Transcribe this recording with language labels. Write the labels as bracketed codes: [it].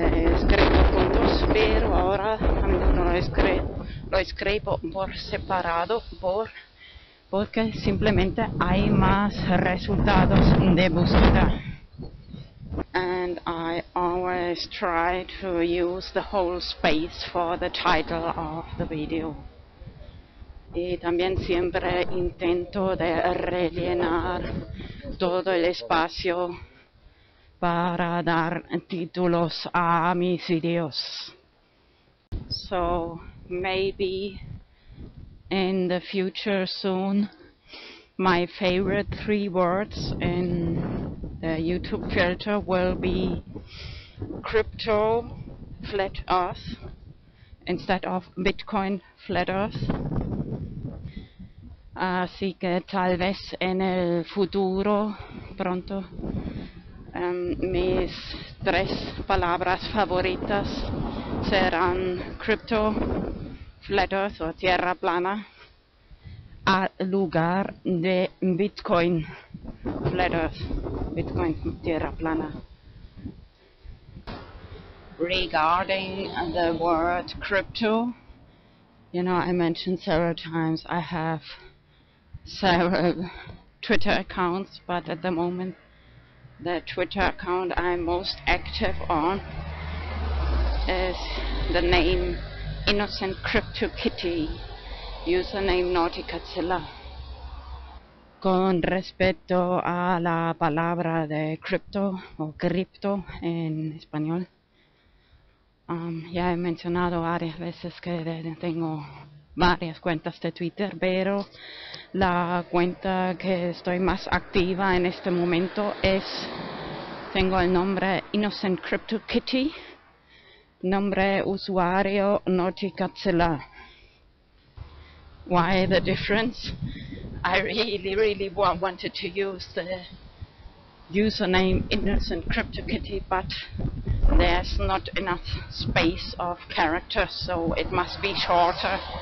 [es] Escribo juntos, pero ahora a menudo lo escribo por separado porque simplemente hay más resultados de búsqueda. [en] And I always try to use the whole space for the title of the video. [es] Y también siempre intento de rellenar todo el espacio para dar títulos a mis videos. [en] So maybe in the future soon, my favorite three words in the YouTube filter will be crypto flat earth instead of Bitcoin flat earth. [es] Así que tal vez en el futuro pronto mis tres palabras favoritas serán crypto flat earth o tierra plana al lugar de Bitcoin flat earth. Bitcoin Tierra Plana. [en] Regarding the word crypto, you know, I mentioned several times I have several Twitter accounts, but at the moment the Twitter account I'm most active on is the name Innocent Crypto Kitty, username Nauticazilla. [es] Con respecto a la palabra de cripto o cripto en español, ya he mencionado varias veces que tengo varias cuentas de Twitter, pero la cuenta que estoy más activa en este momento tengo el nombre Innocent Crypto Kitty, nombre usuario Nauticazilla. [en] Why the difference? I really, really wanted to use the username Innocent Crypto Kitty, but there's not enough space of characters, so it must be shorter.